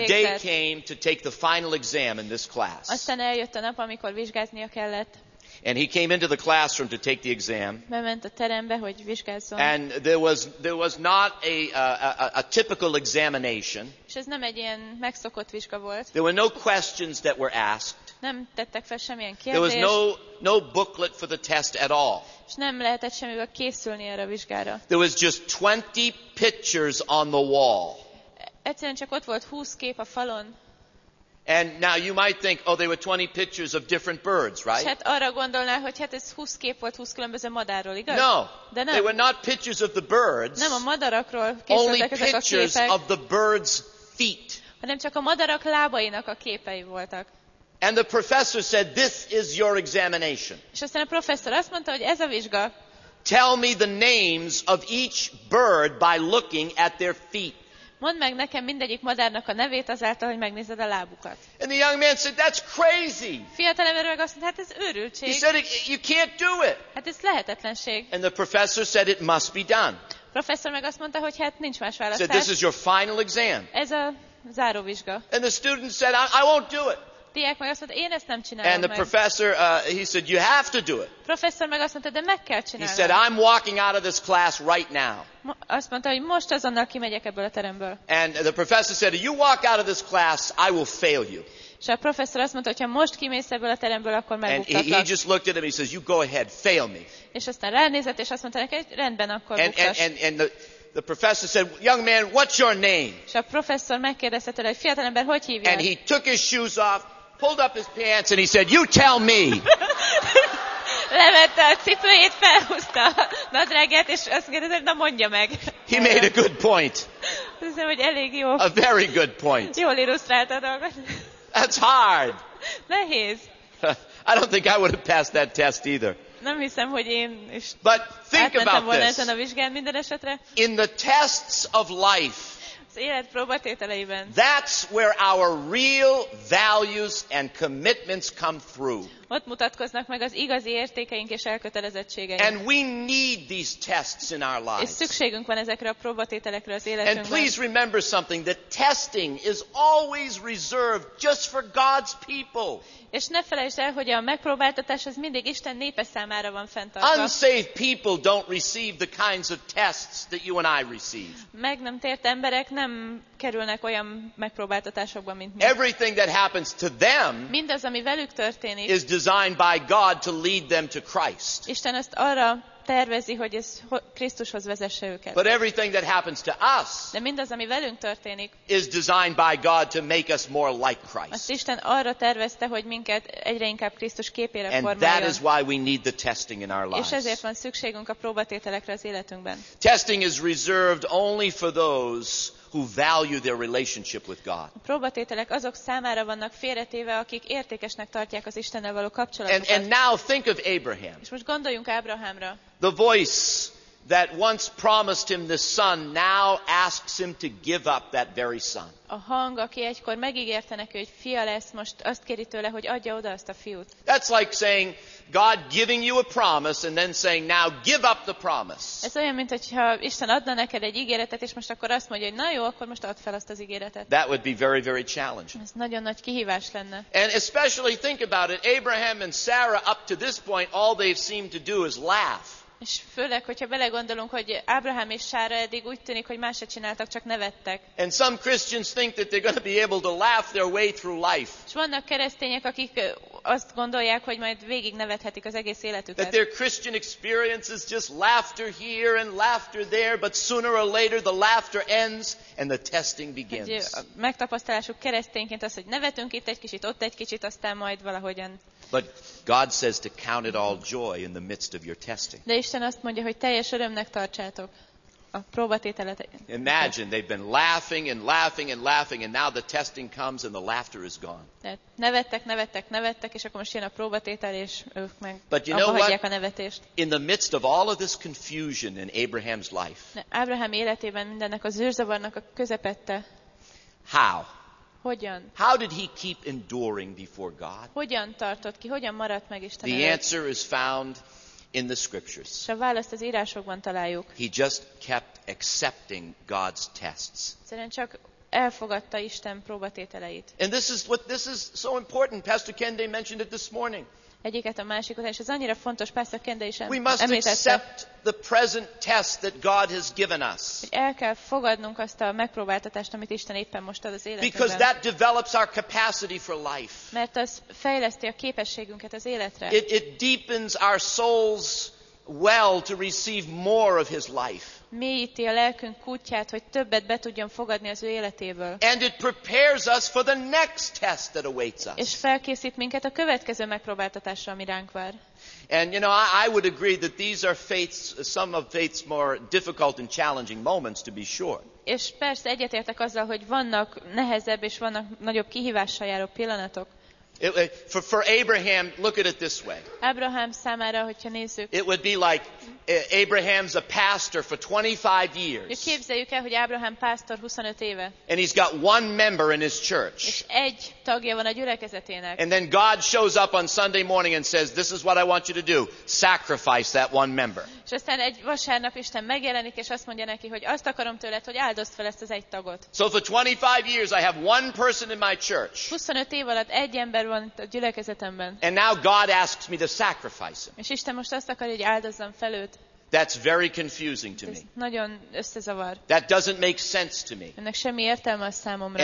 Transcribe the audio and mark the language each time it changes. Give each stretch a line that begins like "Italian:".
English: And the day came to take the final exam in this class.
Hungarian: Aztán eljött a nap, amikor vizsgáznia kellett.
English: And he came into the classroom to take the exam.
Hungarian: Bement a terembe, hogy vizsgázzon.
English: And there was not a typical examination.
Hungarian: És ez nem egy ilyen megszokott vizsga volt.
English: There were no questions that were asked.
Hungarian: Nem tettek fel semmilyen kérdést.
English: There was no booklet for the test at all.
Hungarian: És nem lehetett semmivel készülni erre a vizsgára.
English: There was just 20 pictures on the wall.
Hungarian: Egyszerűen csak ott volt 20 kép a falon.
English: And now you might think, oh, they were 20 pictures of different birds, right?
Hungarian: Hát arra gondolnál, hogy hát ez 20 kép volt 20 különböző madárról, igaz?
English: No,
Hungarian: de nem.
English: They were not pictures of the birds.
Hungarian: Nem a madarakról készültek ezek a képek.
English: Only pictures of the birds' feet.
Hungarian: Hanem csak a madarak lábainak a képei voltak.
English: And the professor said, this is your examination.
Hungarian: És aztán a professzor azt mondta, hogy ez a vizsga.
English: Tell me the names of each bird by looking at their feet.
Hungarian: Mondd meg nekem mindegyik madárnak a nevét azáltal, hogy megnézed a lábukat.
English: And the young man said, that's crazy.
Hungarian: Fiatalember meg azt mondta, hát ez őrültség.
English: He said, you can't do it.
Hungarian: Hát ez lehetetlenség.
English: And the professor said, it must be done.
Hungarian: Professzor meg azt mondta, hogy hát nincs más választás.
English: Said, this is your final exam.
Hungarian: Ez a záróvizsga.
English: And the student said, I won't do it.
Hungarian: Diák meg azt mondta, én ezt nem csinálom.
English: And the professor, he said, you have to do it.
Hungarian: Professzor meg azt mondta, de meg kell csinálnom.
English: He said, I'm walking out of this class right now.
Hungarian: Azt mondta, hogy most azonnal kimegyek ebből a teremből.
English: And the professor said, if you walk out of this class, I will fail you.
Hungarian: És a professzor azt mondta, hogy ha most kimész ebből a teremből, akkor megbuktatlak.
English: And he just looked at him, he says, you go ahead, fail me.
Hungarian: És aztán ránézett, és azt mondta neki, rendben, akkor buktass.
English: And the professor said, young man, what's your name?
Hungarian: És a professzor megkérdezte tőle, hogy fiatalember, hogy hívják?
English: And he took his shoes off, pulled up his pants, and he said, you tell me.
Hungarian: Levette a cipőjét, felhúzta a nadrágját, és azt kérdezett, na mondja meg.
English: He made a good point.
Hungarian: Azt hiszem, hogy elég jó.
English: A very good point.
Hungarian: Jól illusztrált a dolgot.
English: That's hard.
Hungarian: Nehéz.
English: I don't think I would have passed that test either.
Hungarian: Nem hiszem, hogy én is
English: But think about
Hungarian: volna
English: this.
Hungarian: Ezen a vizsgán minden esetre.
English: In the tests of life,
Hungarian: az élet próbatételeiben.
English: That's where our real values and commitments come through.
Hungarian: ott mutatkoznak meg az igazi értékeink és elkötelezettségeink.
English: And we need these tests in our lives.
Hungarian: És szükségünk van ezekre a próbatételekre az életünkben.
English: And please remember something, that testing is always reserved just for God's people.
Hungarian: És ne felejtsd el, hogy a megpróbáltatás az mindig Isten népe számára van fenntartva.
English: Unsaved people don't receive the kinds of tests that you and I receive.
Hungarian: Meg nem tért emberek nem kerülnek olyan megpróbáltatásokba, mint mi.
English: Everything that happens to them,
Hungarian: mindaz, ami velük történik,
English: is designed by God to lead them to Christ.
Hungarian: Isten ezt arra tervezi, hogy ez Krisztushoz vezesse őket.
English: But everything that happens to us,
Hungarian: de mindaz, ami velünk történik,
English: is designed by God to make us more like Christ.
Hungarian: Azt Isten arra tervezte, hogy minket egyre inkább Krisztus képére formáljon.
English: And that is why we need the testing in our lives.
Hungarian: És ezért van szükségünk a próbatételekre az életünkben.
English: Testing is reserved only for those who value their relationship with God.
Hungarian: A próbatételek azok számára vannak félretéve, akik értékesnek tartják az Istennel való kapcsolatukat.
English: And now think of Abraham.
Hungarian: És most gondoljunk Ábrahámra.
English: The voice that once promised him this son now asks him to give up that very son.
Hungarian: A hang, aki egykor megígérte neki, hogy fia lesz, most azt kéri tőle, hogy adja oda azt a fiút.
English: That's like saying God giving you a promise and then saying now give up the promise.
Hungarian: Ez olyan, mint hogyha Isten adna neked egy ígéretet, és most akkor azt mondja, hogy na jó, akkor most add fel azt az ígéretet.
English: That would be very, very challenging.
Hungarian: Ez nagyon nagy kihívás lenne.
English: And especially think about it, Abraham and Sarah up to this point, all they've seemed to do is laugh.
Hungarian: És főleg, hogyha belegondolunk, hogy Ábrahám és Sára eddig úgy tűnik, hogy más se csináltak, csak nevettek.
English: And some Christians think that they're going to be able to laugh their way through life.
Hungarian: És vannak keresztények, akik azt gondolják, hogy majd végig nevethetik az egész életüket.
English: That their Christian experience is just laughter here and laughter there, but sooner or later the laughter ends and the testing begins.
Hungarian: Megtapasztalásuk keresztényként az, hogy nevetünk itt egy kicsit, ott egy kicsit, aztán majd valahogyan.
English: But God says to count it all joy in the midst of your testing.
Hungarian: De Isten azt mondja, hogy teljes örömnek tartsátok a próbatételet.
English: Imagine they've been laughing and laughing and laughing and now the testing comes and the laughter is gone.
Hungarian: Nevettek, és akkor most jön a próbatétel és ők meg abbahagyják a nevetést.
English: In the midst of all of this confusion in Abraham's life.
Hungarian: Ábrahám életében mindennek a zűrzavarnak a közepette.
English: How?
Hungarian: Hogyan?
English: How did he keep enduring before God?
Hungarian: Hogyan tartott ki? Hogyan maradt meg Isten előtt?
English: The answer is found in the scriptures.
Hungarian: S a választ az írásokban találjuk.
English: He just kept accepting God's tests.
Hungarian: Egyszerűen csak elfogadta Isten próbatételeit.
English: And this is so important. Pastor Kende mentioned it this morning.
Hungarian: Egyiket a másik után, és ez annyira fontos, Pastor Kende is említette.
English: We must accept the present test that God has given us.
Hungarian: El kell fogadnunk azt a megpróbáltatást, amit Isten éppen most ad az életünkben.
English: Because that develops our capacity for life.
Hungarian: Mert az fejleszti a képességünket az életre.
English: It deepens our souls well to receive more of his life.
Hungarian: Mélyíti a lelkünk kútját, hogy többet be tudjon fogadni az ő életéből.
English: And it prepares us for the next test that awaits us.
Hungarian: És felkészít minket a következő megpróbáltatásra, ami ránk vár.
English: And you know, I would agree that these are some of faith's more difficult and challenging moments, to be sure.
Hungarian: És persze egyetértek azzal, hogy vannak nehezebb és vannak nagyobb kihívással járó pillanatok.
English: For Abraham, look at it this way.
Hungarian: Abraham számára, hogyha nézzük.
English: It would be like Abraham's a pastor for 25 years.
Hungarian: Képzeljük el, hogy Abraham pásztor 25 éve.
English: And he's got one member in his church.
Hungarian: És egy tagja van a gyülekezetének.
English: And then God shows up on Sunday morning and says, "This is what I want you to do. Sacrifice that one member."
Hungarian: És aztán egy vasárnap Isten megjelenik és azt mondja neki, hogy azt akarom tőled, hogy áldozd fel ezt az egy tagot.
English: So for 25 years I have one person in my church.
Hungarian: 25 év alatt egy ember van a gyülekezetemben.
English: And now God asks me to sacrifice him.
Hungarian: És Isten most azt akarja, hogy áldozzam fel őt.
English: That's very confusing to me.
Hungarian: Nagyon összezavar.
English: That doesn't make sense to me.
Hungarian: Ennek semmi értelme a számomra.